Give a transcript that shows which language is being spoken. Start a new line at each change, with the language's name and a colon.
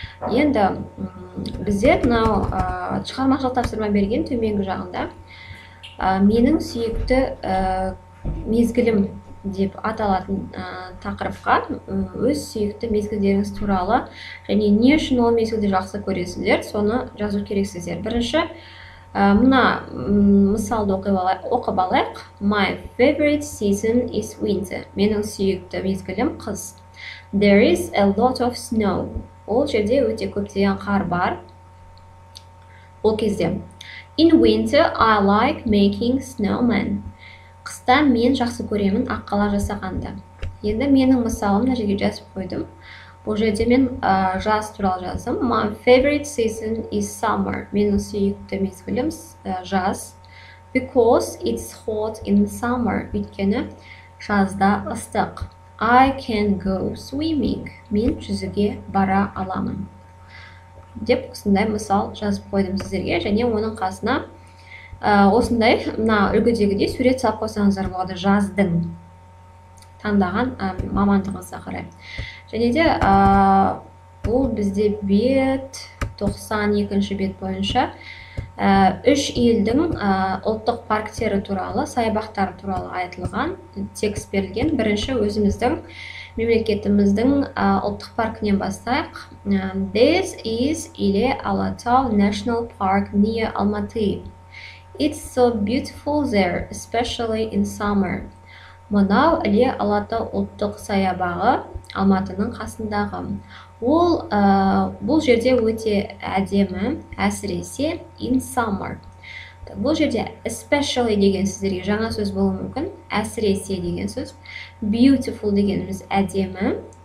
Kazakh: Енді бізде мынау шығармашылық тапсырма берген төменгі жағында менің сүйікті мезгілім деп аталатын тақырыпқа өз сүйікті мезгілдеріңіз туралы және не үшін ол мезгілді жақсы көресіздер, соны жазу керексіздер. Бірінші, мына мысалды оқып алайық.
English: My favorite season is winter.
Kazakh: Менің сүйікті мезгілім қыс.
English: There is a lot of snow.
Kazakh: Ол жерде өте көптеген қар бар. Ол кезде.
English: In winter, I like making snowmen.
Kazakh: Қыста мен жақсы көремін аққала жасағанды. Енді менің мысалым мына жерге жазып қойдым. Бұл жерде мен жаз туралы жаздым.
English: My favorite season is summer.
Kazakh: Менің сүйікті мезгілім жаз.
English: Because it's hot in summer.
Kazakh: Өйткені жазда ыстық.
English: I can go swimming.
Kazakh: Мен жүзуге бара аламын. Деп осындай мысал жазып қойдым сіздерге. Және оның қасына осындай мына үлгідегідей сурет салып қойсаңыздар болады жаздың таңдаған мамандығыңызға қарай. Және де бұл бізде бет 92-ші бет бойынша үш елдің ұлттық парктері туралы, саябақтары туралы айтылған текст берілген. Бірінші өзіміздің мемлекетіміздің ұлттық паркінен бастайық.
English: This is Іле Алатау National Park near Алматы. It's so beautiful there, especially in summer.
Kazakh: Мынау Іле Алатау ұлттық саябағы Алматының қасындағы. Ол бұл жерде өте әдемі, әсіресе
English: in summer.
Kazakh: Бұл жерде especially деген сіздерге жаңа сөз болуы мүмкін. Әсіресе деген сөз. Beautiful дегеніміз әдемі.